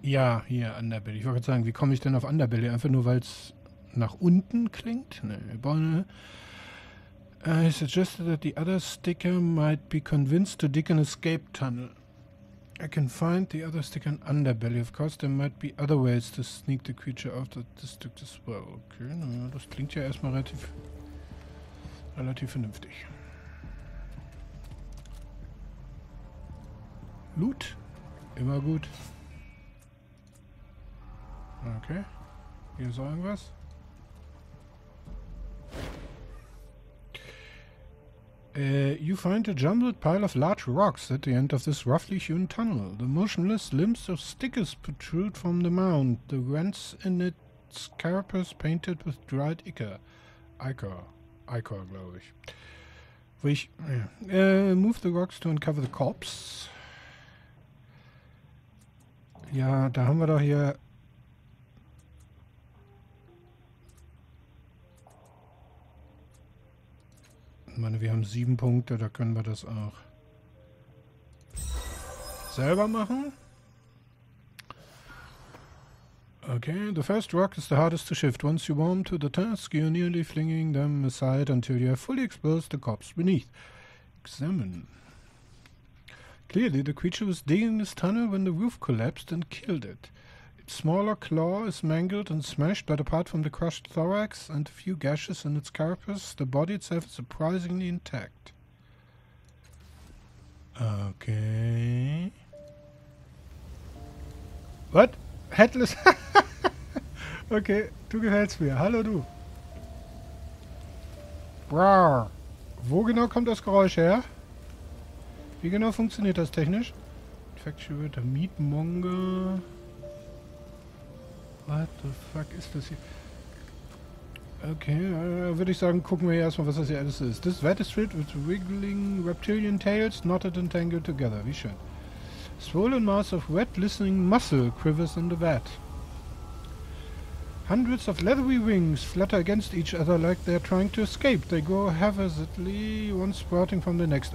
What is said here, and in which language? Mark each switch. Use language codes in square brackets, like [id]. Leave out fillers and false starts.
[de] Ja, hier Underbelly. Ich wollte gerade sagen, wie komme ich denn auf Underbelly? Einfach nur, weil es nach unten klingt? Ne, wir brauchen eine. [en] I suggested that the other sticker might be convinced to dig an escape tunnel. I can find the other stick on underbelly. Of course, there might be other ways to sneak the creature off the district as well. [de] Okay, naja, das klingt ja erstmal relativ vernünftig. Loot. Immer gut. Okay. Hier ist auch irgendwas. [en] You find a jumbled pile of large rocks at the end of this roughly hewn tunnel. The motionless limbs of stickers protrude from the mound. The rents in its carapace painted with dried ichor, [de] glaube ich. [en] Move the rocks to uncover the corpse. [de] Ja, da haben wir doch hier. Ich meine, wir haben 7 Punkte, da können wir das auch selber machen. [en] Okay, the first rock is the hardest to shift. Once you warm to the task, you're nearly flinging them aside until you have fully exposed the corpse beneath. Examine. Clearly, the creature was digging this tunnel when the roof collapsed and killed it. Its smaller claw is mangled and smashed, but apart from the crushed thorax and a few gashes in its carapace, the body itself is surprisingly intact. Okay. What? Headless? [de] Okay, du gefällst mir. Hallo du. Brrr. Wo genau kommt das Geräusch her? Wie genau funktioniert das technisch? [en] Infectuator Meatmonger. What the fuck [de] ist das hier? Okay, würde ich sagen, gucken wir erstmal, was das hier alles ist. [en] This vat is filled with wriggling reptilian tails knotted and tangled together. [de] Wie schön. [en] Swollen mass of wet listening muscle quivers in the vat. Hundreds of leathery wings flutter against each other like they're trying to escape. They grow haphazardly, one sprouting from the next.